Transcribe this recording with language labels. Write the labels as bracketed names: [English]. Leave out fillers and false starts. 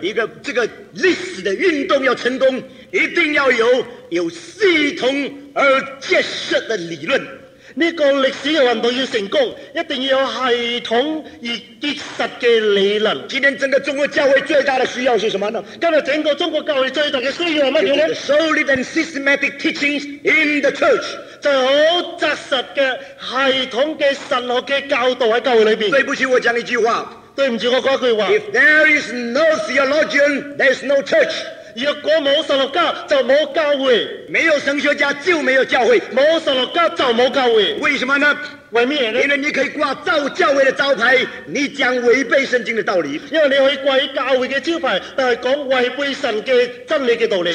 [Chinese] 一个这个历史的运动要成功，一定要有系统而建设的理论。这个历史的运动要成功，一定要有系统而结实的理论。今天整个中国教会最大的需要是什么呢？今天整个中国教会最大的需要是什么呢？ [English] Solid and systematic teachings in the church， [Chinese] 就是很扎实的系统的神学的教导在教会里面。对不起，我讲一句话，对不起，我讲一句话。 [English] If there is no theologian, there is no church。 [Chinese] 如果没有神学家就没有教会，没有神学家就没有教会，没有神学家就没有教会。为什么呢？为什么呢？因为你可以挂造教会的招牌，你讲违背圣经的道理。因为你可以挂教会的招牌，但是讲违背神的真理的道理。